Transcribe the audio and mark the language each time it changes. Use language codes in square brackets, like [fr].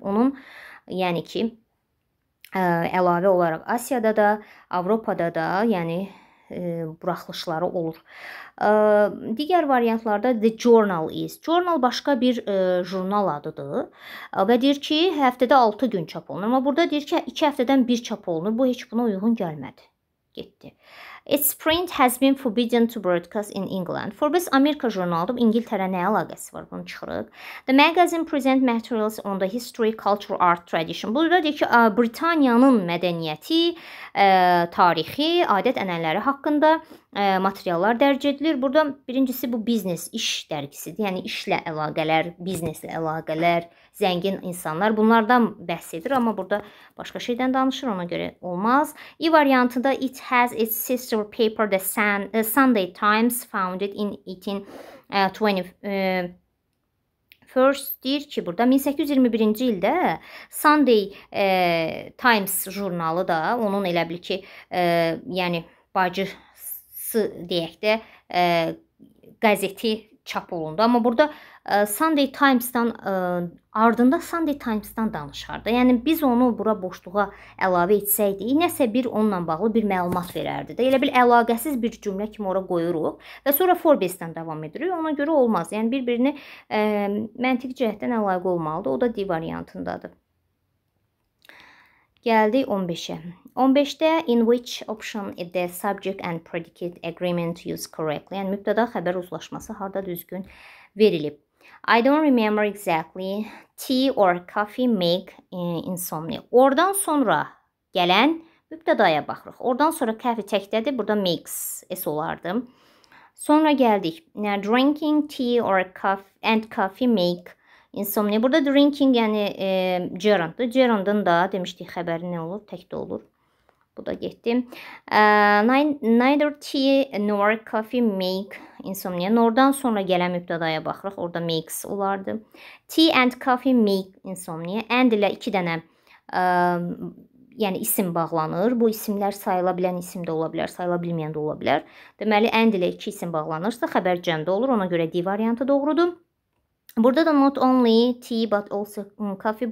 [az] Onun, yəni ki, əlavə olaraq Asiyada da, Avropada da, yəni, buraxılışları olur. Digər variantlarda the journal is. Journal başqa bir jurnal adıdır. Və deyir ki, həftədə 6 gün çap olunur. Amma burada deyir ki, 2 həftədən bir çap olunur. Bu, heç buna uyğun gəlmədi. Getdi. [en] Its print has been forbidden to broadcast in England. [az] Forbes Amerika jurnalıdır. İngiltərə nə əlaqəsi var? Bunu çıxırıq. [en] The magazine present materials on the history, culture, art, tradition. [az] Burada deyir ki, Britaniyanın mədəniyyəti, tarixi, adət-ənənələri haqqında materiallar dərc edilir. Burada birincisi bu biznes iş dərgisidir. Yəni işlə əlaqələr, bizneslə əlaqələr, zəngin insanlar bunlardan bəhs edir. Amma burada başqa şeydən danışır. [en] Ona görə olmaz. İ variantında it has its sister paper, the Sunday Times, founded in 1821. [az] Deyir ki, burada 1821-ci ildə Sunday Times jurnalı da onun elə bil ki, yəni bacı deyək də qəzeti çap olundu. Amma burada Sunday Times-dan ardında Sunday Times-dan danışardı. Yəni, biz onu bura boşluğa əlavə etsəkdik, nəsə bir onunla bağlı bir məlumat verərdi. Də elə bil əlaqəsiz bir cümlə kimi ora qoyuruq və sonra Forbes-dan davam edirik. Ona görə olmaz. Yəni, bir-birini məntiq cəhətdən əlaqə olmalıdır. O da D variantındadır. [en] Gəldi 15-ə. 15-də in which option is the subject and predicate agreement used correctly? [az] Yəni, mübtəda xəbər uzlaşması harda düzgün verilib. [en] I don't remember exactly tea or coffee make insomnia. [az] Oradan sonra gələn mübtədaya baxırıq. Oradan sonra coffee təkdədir, burada makes s olardı. Sonra gəldik. [en] Now, drinking tea or coffee and coffee make insomnia. [az] Burada drinking, yəni gerund. Gerundun da demişdik xəbəri nə olur? Təkdə olur. Bu da getdi. [en] Neither tea nor coffee make insomnia. [az] Nordan sonra gələn mübtədaya baxırıq. Orada makes olardı. Tea and coffee make insomnia. And ilə iki dənə yəni isim bağlanır. Bu isimlər sayıla bilən isim də ola bilər, sayıla bilməyən də ola bilər. Deməli, and ilə iki isim bağlanırsa, xəbər cəmdə olur. Ona görə D variantı doğrudur. [en] Burada da not only tea, but also coffee.